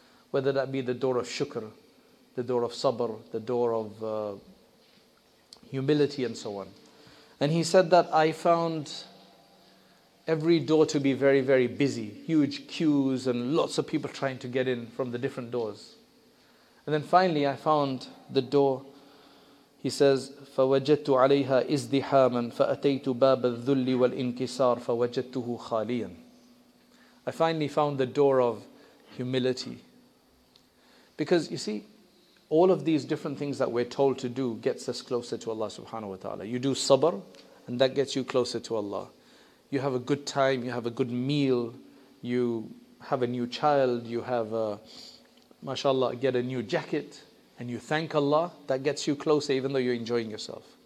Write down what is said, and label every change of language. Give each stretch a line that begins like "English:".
English: Whether that be the door of shukr, the door of sabr, the door of humility and so on. And he said that I found every door to be very, very busy. Huge queues and lots of people trying to get in from the different doors. And then finally I found the door. He says,
Arabic: فَوَجَدْتُ عَلَيْهَا إِزْدِحَامًا فَأَتَيْتُ بَابَ الذُّلِّ وَالْإِنْكِسَارِ فَوَجَدْتُهُ خَالِيًا.
English: I finally found the door of humility. Because you see, all of these different things that we're told to do gets us closer to Allah subhanahu wa ta'ala. You do sabr and that gets you closer to Allah. You have a good time, you have a good meal, you have a new child, you have a, mashallah, get a new jacket, and you thank Allah, that gets you closer even though you're enjoying yourself.